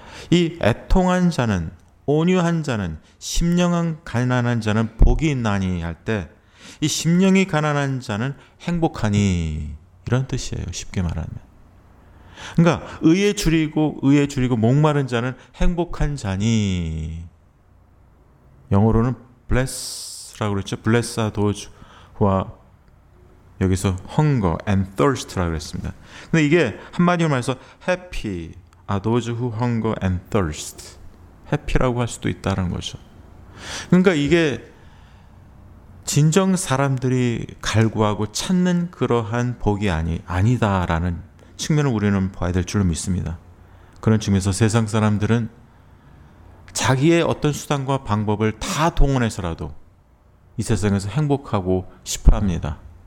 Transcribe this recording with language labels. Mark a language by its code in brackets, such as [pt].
[ko] 이 애통한 자는, 온유한 자는, 심령은 가난한 자는 복이 있나니 할 때 이 심령이 가난한 자는 행복하니 이런 뜻이에요. 쉽게 말하면. 그러니까 의에 주리고 목마른 자는 행복한 자니 영어로는 bless라고 그랬죠. [en] bless those who are [ko] 여기서 [en] hunger and thirst라고 [ko] 그랬습니다. 근데 이게 한마디로 말해서 [en] happy are those who hunger and thirst. [ko] happy라고 할 수도 있다는 거죠. 그러니까 이게 진정 사람들이 갈구하고 찾는 그러한 복이 아니다라는 측면을 우리는 봐야 될 줄로 믿습니다. 그런 측면에서 세상 사람들은 자기의 어떤 수단과 방법을 다 동원해서라도 이 세상에서 행복하고 싶어합니다.